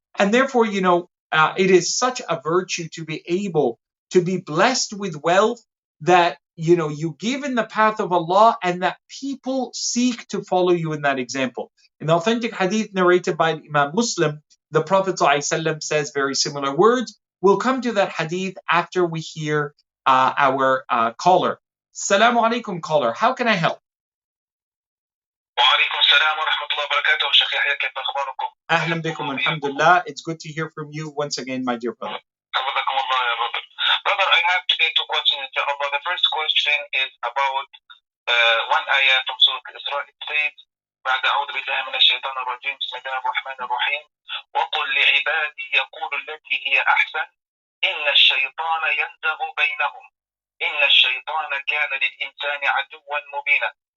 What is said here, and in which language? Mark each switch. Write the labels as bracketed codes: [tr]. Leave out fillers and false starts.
[en] And therefore, you know, it is such a virtue to be able to be blessed with wealth that, you know, you give in the path of Allah and that people seek to follow you in that example. In the authentic hadith narrated by Imam Muslim, the Prophet ﷺ says very similar words. We'll come to that hadith after we hear our caller. Assalamu alaikum, caller. How can I help? [ar] وعليكم السلام ورحمة الله وبركاته شيخ يحيى كيف أخباركم؟ أهلا بكم الحمد لله. [en] It's good to hear from you once again, my dear brother. [ar] حفظكم الله يا [en] brother. Brother, I have today two questions. Inshallah, the first question is about one ayah from Surah Al-Isra. It says, [ar] بعد أعوذ بالله من الشيطان الرجيم بسم الله الرحمن الرحيم وقل لعبادي يقول التي هي أحسن إن الشيطان ينزغ بينهم إن الشيطان كان للإنسان عدوا مبينا.